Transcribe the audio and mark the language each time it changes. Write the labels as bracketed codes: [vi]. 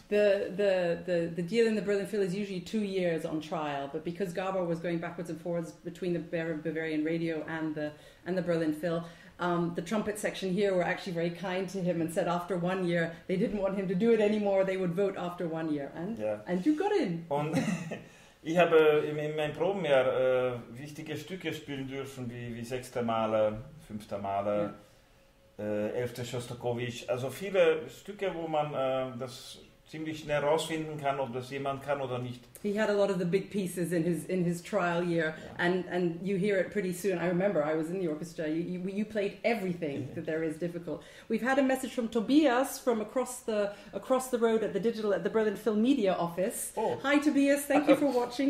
[en] The deal in the Berlin Phil is usually 2 years on trial, but because Gabor was going backwards and forwards between the Bavarian Radio and the Berlin Phil, the trumpet section here were actually very kind to him and said after 1 year they didn't want him to do it anymore. They would vote after 1 year, and you got in. [de] Und ich habe in meinem Probenjahr wichtige Stücke spielen dürfen, wie sechste Male, fünfte Male, elfte Schostakowitsch. Also viele Stücke, wo man das ziemlich schnell rausfinden kann, ob das jemand kann oder nicht. [en] He had a lot of the big pieces in his trial year, and you hear it pretty soon. I remember I was in the orchestra. You played everything that there is difficult. We've had a message from Tobias from across the road at the Berlin Film Media office. Oh. Hi Tobias, thank you for watching.